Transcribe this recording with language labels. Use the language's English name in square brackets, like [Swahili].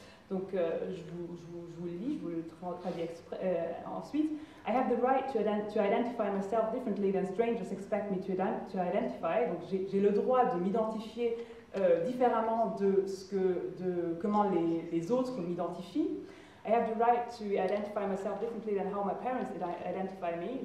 [French] Donc, je vous le traduis ensuite. [English] I have the right to identify myself differently than strangers expect me to identify. [French] Donc, j'ai le droit de m'identifier différemment de comment les autres m'identifient. [English] I have the right to identify myself differently than how my parents identify me.